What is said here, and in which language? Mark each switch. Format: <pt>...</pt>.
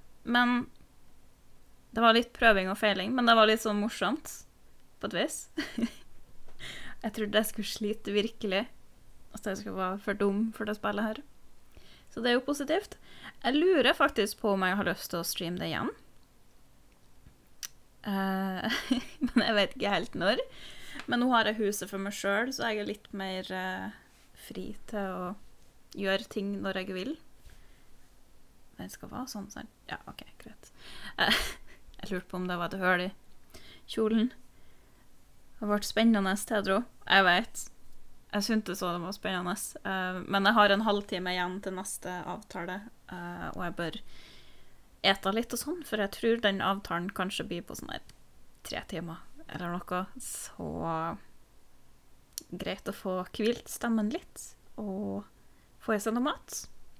<sv>Men det var lite prövning och feling, men det var lite så morsamt på ett vis. Jag trodde det skulle slita verkligen. Att jag skulle vara för dum för att spela här. Så det är ju positivt. Jag lurer faktiskt på om jag har lust att streama det igen.</sv> <no>Men jeg vet ikke helt når. Men nå har jeg huset for meg selv, så jeg litt mer fri til å gjøre ting når jeg vil. Men det skal være sånn, sånn. Ja, ok, greit. Jeg lurte på om det var et høl i kjolen. Det har vært spennende, Tedro. Jeg vet. Jeg syntes det var spennende.</no> <sv>Men jeg har en halvtime igjen til neste avtale, og jeg bør äta lite och sånt, för jag tror den avtalen kanske blir på sån här 3 timmar eller något, så grejt att få kvilt stammen lite och få i sig något mat.</sv>